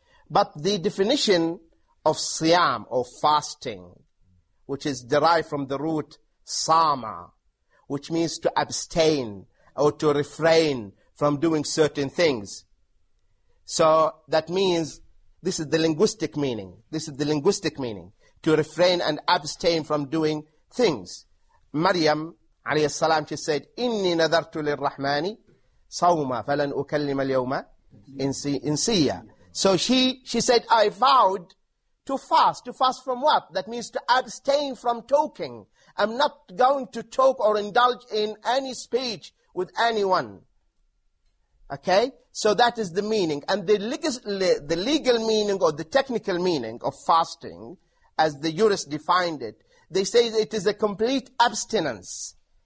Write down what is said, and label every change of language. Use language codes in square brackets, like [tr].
[en] But the definition of Siyam, or fasting, which is derived from the root Sama, which means to abstain or to refrain from doing certain things. So that means, this is the linguistic meaning. This is the linguistic meaning. To refrain and abstain from doing things. Maryam, alayhi salam, she said, [ar] إِنِّي نَذَرْتُ لِلرَّحْمَانِ صَوْمًا فَلَنْ أُكَلِّمَ الْيَوْمَ [en] in Syria. So she said, I vowed to fast. To fast from what? That means to abstain from talking. I'm not going to talk or indulge in any speech with anyone. Okay? So that is the meaning. And the legal meaning or the technical meaning of fasting, as the jurists defined it, they say it is a complete abstinence.